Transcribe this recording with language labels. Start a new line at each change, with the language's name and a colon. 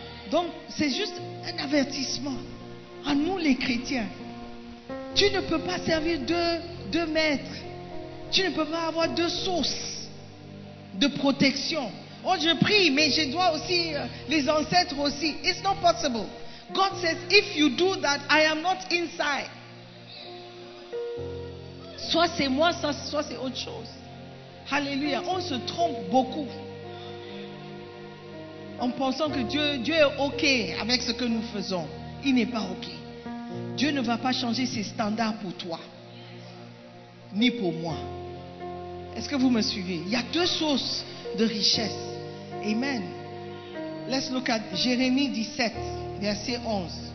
French: Donc, c'est juste un avertissement à nous les chrétiens. Tu ne peux pas servir deux maîtres. Tu ne peux pas avoir 2 sources de protection. Oh, je prie, mais je dois aussi les ancêtres aussi.
English: It's not possible. God says, if you do that, I am not inside.
French: Soit c'est moi, soit c'est autre chose. Alléluia. On se trompe beaucoup en pensant que Dieu est OK avec ce que nous faisons. Il n'est pas OK. Dieu ne va pas changer ses standards pour toi, ni pour moi. Est-ce que vous me suivez? Il y a deux sources de richesse. Amen.
English: Let's look at Jérémie 17, verset 11.